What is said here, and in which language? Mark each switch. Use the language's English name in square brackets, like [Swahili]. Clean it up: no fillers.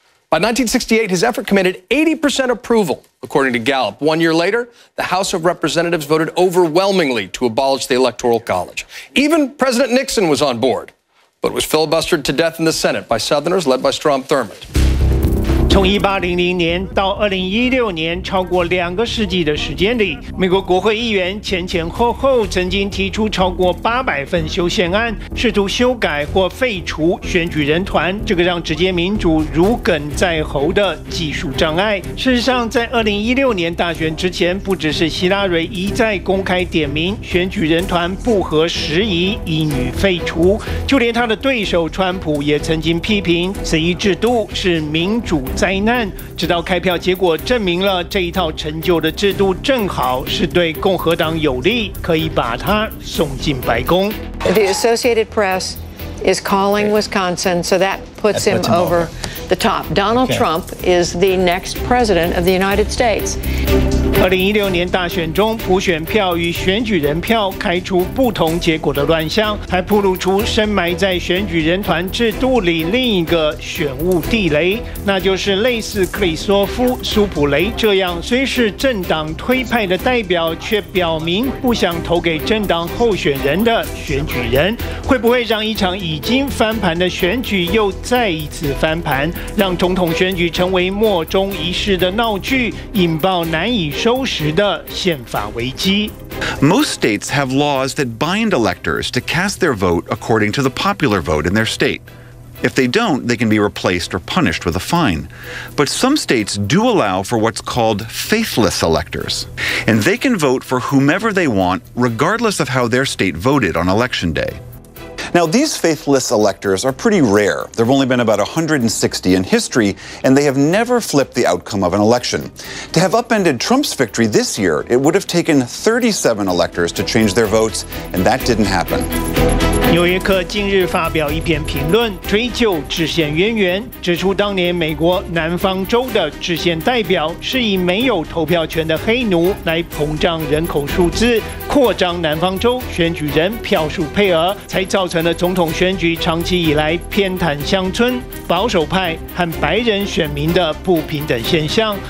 [English] By 1968, his effort commanded 80% approval. According to Gallup, 1 year later, the House of Representatives voted overwhelmingly to abolish the Electoral College. Even President Nixon was on board, but was filibustered to death in the Senate by Southerners led by Strom Thurmond. [Chinese] 从1800年到2016年，超过两个世纪的时间里，美国国会议员前前后后曾经提出超过800份修宪案，试图修改或废除选举人团这个让直接民主如鲠在喉的技术障碍。事实上，在2016年大选之前，不只是希拉蕊一再公开点名选举人团不合时宜，应予废除，就连他的对手川普也曾经批评此一制度是民主灾难，直到开票结果证明了这一套陈旧的制度正好是对共和党有利，可以把它送进白宫。 [English] The Associated Press is calling Wisconsin, so that puts him over the top. Donald Trump is the next president of the United States. [Chinese] 2016年大选中，普选票与选举人票开出不同结果的乱象，还暴露出深埋在选举人团制度里另一个选务地雷，那就是类似克里斯托夫·苏普雷这样虽是政党推派的代表，却表明不想投给政党候选人的选举人，会不会让一场已经翻盘的选举又再一次翻盘，让总统选举成为末终一世的闹剧，引爆难以收拾的宪法危机。 [English] Most states have laws that bind electors to cast their vote according to the popular vote in their state. If they don't, they can be replaced or punished with a fine. But some states do allow for what's called faithless electors, and they can vote for whomever they want, regardless of how their state voted on election day. Now, these faithless electors are pretty rare. There have only been about 160 in history, and they have never flipped the outcome of an election. To have upended Trump's victory this year, it would have taken 37 electors to change their votes, and that didn't happen. [Chinese] 《纽约客》近日发表一篇评论，追究制宪渊源，指出当年美国南方州的制宪代表是以没有投票权的黑奴来膨胀人口数字，扩张南方州选举人票数配额，才造成了总统选举长期以来偏袒乡村、保守派和白人选民的不平等现象。